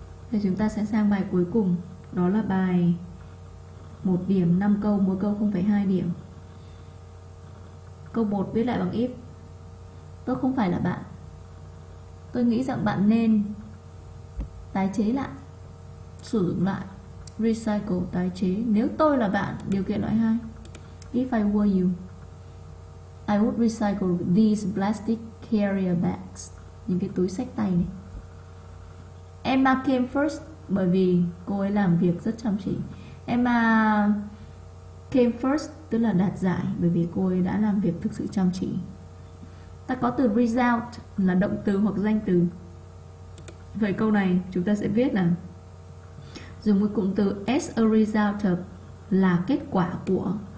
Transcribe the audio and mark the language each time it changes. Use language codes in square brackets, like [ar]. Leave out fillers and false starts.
[vi] Thì chúng ta sẽ sang bài cuối cùng. Đó là bài 1 điểm 5 câu, mỗi câu 0,2 điểm. Câu 1 viết lại bằng if. Tôi không phải là bạn. Tôi nghĩ rằng bạn nên tái chế lại, sử dụng lại, recycle, tái chế. Nếu tôi là bạn, điều kiện loại 2. [en] If I were you, I would recycle these plastic carrier bags. [vi] Những cái túi xách tay này. [en] Emma came first. [vi] Bởi vì cô ấy làm việc rất chăm chỉ. [en] Emma came first [vi] tức là đạt giải, bởi vì cô ấy đã làm việc thực sự chăm chỉ. Ta có từ result là động từ hoặc danh từ. Vậy câu này chúng ta sẽ viết là dùng cái cụm từ [en] as a result of [vi] là kết quả của.